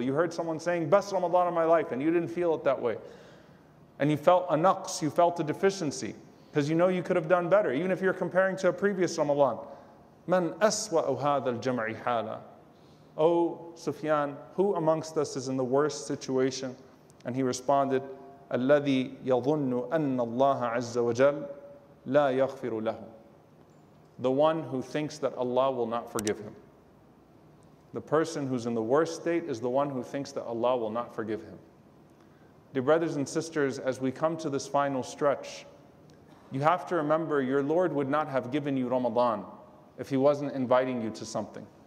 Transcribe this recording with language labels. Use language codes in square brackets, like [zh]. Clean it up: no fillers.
[en] You heard someone saying, "Best Ramadan of my life," and you didn't feel it that way. And you felt a naqs, you felt a deficiency, because you know you could have done better, even if you're comparing to a previous Ramadan. [ar] مَنْ أَسْوَأُ هَذَا الْجَمْعِ حَالًا. [en] Oh, Sufyan, who amongst us is in the worst situation? And he responded, [ar] "الَّذِي يَظُنُّ أَنَّ اللَّهَ عَزَّ وَجَلَّ لَا يَغْفِرُ لَهُ." [en] The one who thinks that Allah will not forgive him. The person who's in the worst state is the one who thinks that Allah will not forgive him. Dear brothers and sisters, as we come to this final stretch, you have to remember your Lord would not have given you Ramadan if he wasn't inviting you to something.